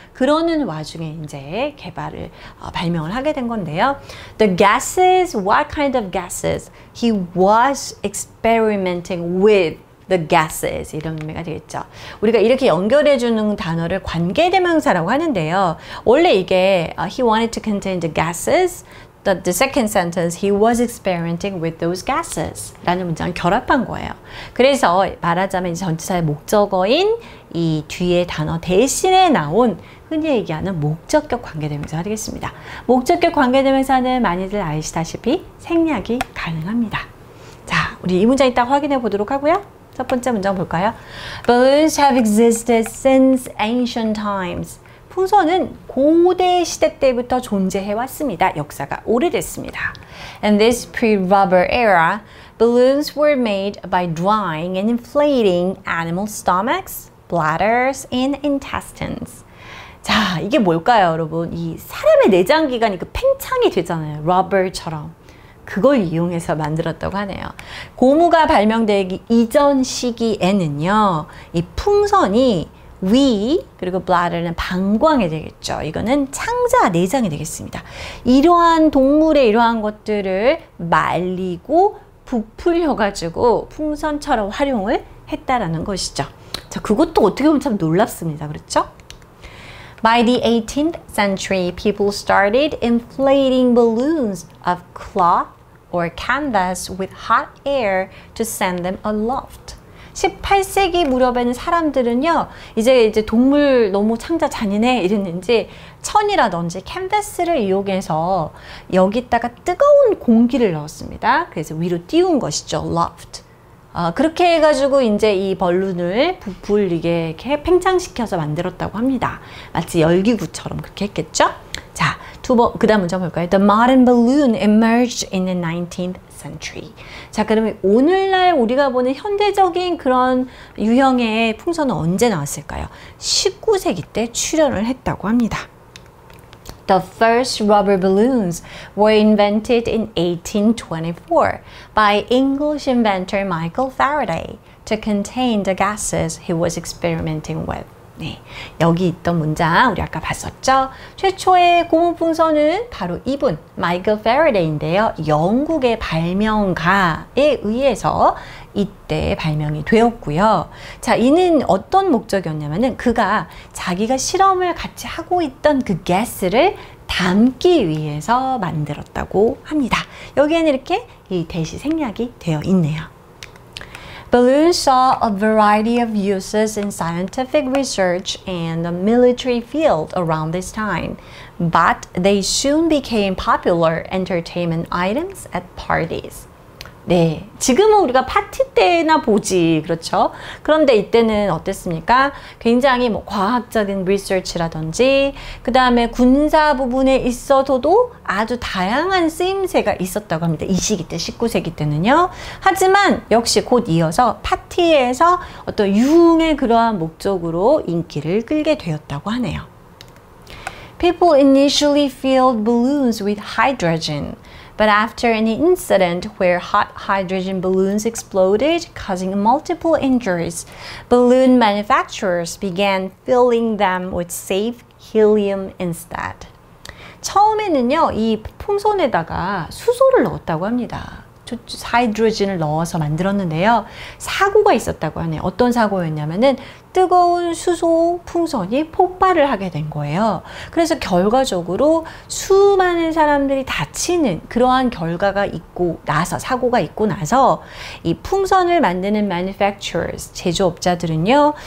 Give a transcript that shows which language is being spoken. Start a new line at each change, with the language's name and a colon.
Korean: 그러는 와중에 이제 발명을 하게 된 건데요.
English: The gases, what kind of gases? He was experimenting with. The gases
Korean: 이런 의미가 되겠죠. 우리가 이렇게 연결해 주는 단어를 관계대명사라고 하는데요. 원래 이게
English: he wanted to contain the gases. The second sentence, he was experimenting with those gases.
Korean: 라는 문장을 결합한 거예요. 그래서 말하자면 이제 전치사의 목적어인 이 뒤에 단어 대신에 나온 흔히 얘기하는 목적격 관계대명사가 되겠습니다. 목적격 관계대명사는 많이들 아시다시피 생략이 가능합니다. 자, 우리 이 문장 이따 확인해 보도록 하고요. 첫 번째 문장 볼까요?
English: Balloons have existed since ancient times.
Korean: 풍선은 고대 시대 때부터 존재해 왔습니다. 역사가 오래됐습니다.
English: In this pre-rubber era, balloons were made by drying and inflating animal stomachs, bladders, and intestines.
Korean: 자, 이게 뭘까요, 여러분? 이 사람의 내장기관이 그 팽창이 되잖아요. 러버처럼. 그걸 이용해서 만들었다고 하네요. 고무가 발명되기 이전 시기에는요. 이 풍선이 위, 그리고 bladder는 방광이 되겠죠. 이거는 창자, 내장이 되겠습니다. 이러한 동물의 이러한 것들을 말리고 부풀려가지고 풍선처럼 활용을 했다라는 것이죠. 자, 그것도 어떻게 보면 참 놀랍습니다. 그렇죠?
English: By the 18th century, people started inflating balloons of cloth or canvas with hot air to send them aloft.
Korean: 18세기 무렵에는 사람들은요, 이제 동물 너무 창자 잔인해 이랬는지 천이라든지 캔버스를 이용해서 여기다가 뜨거운 공기를 넣었습니다. 그래서 위로 띄운 것이죠.
English: Loft.
Korean: 그렇게 해가지고 이제 이 벌룬을 부풀리게 이렇게 팽창시켜서 만들었다고 합니다. 마치 열기구처럼 그렇게 했겠죠? 자, 그 다음 문장 볼까요?
English: The modern balloon emerged in the 19th century.
Korean: 자, 그러면 오늘날 우리가 보는 현대적인 그런 유형의 풍선은 언제 나왔을까요? 19세기 때 출현을 했다고 합니다.
English: The first rubber balloons were invented in 1824 by English inventor Michael Faraday to contain the gases he was experimenting with.
Korean: 네, 여기 있던 문장 우리 아까 봤었죠? 최초의 고무풍선은 바로 이분, 마이클 페러데이인데요. 영국의 발명가에 의해서 이때 발명이 되었고요. 자, 이는 어떤 목적이었냐면은 그가 자기가 실험을 같이 하고 있던 그 가스를 담기 위해서 만들었다고 합니다. 여기에는 이렇게 이 대시 생략이 되어 있네요.
English: Balloons saw a variety of uses in scientific research and the military field around this time, but they soon became popular entertainment items at parties.
Korean: 네, 지금은 우리가 파티 때나 보지, 그렇죠? 그런데 이때는 어땠습니까? 굉장히 뭐 과학적인 리서치라든지, 그 다음에 군사 부분에 있어서도 아주 다양한 쓰임새가 있었다고 합니다. 이 시기 때, 19세기 때는요. 하지만 역시 곧 이어서 파티에서 어떤 유흥의 그러한 목적으로 인기를 끌게 되었다고 하네요.
English: People initially filled balloons with hydrogen. But after an incident where hot hydrogen balloons exploded, causing multiple injuries, balloon manufacturers began filling them with safe helium instead.
Korean: 처음에는요, 이 풍선에다가 수소를 넣었다고 합니다. 하이드로진을 넣어서 만들었는데요. 사고가 있었다고 하네요. 어떤 사고였냐면은 뜨거운 수소 풍선이 폭발을 하게 된 거예요. 그래서 결과적으로 수많은 사람들이 다치는 그러한 결과가 있고 나서 사고가 있고 나서 이 풍선을 만드는 manufacturers 제조업자들은요.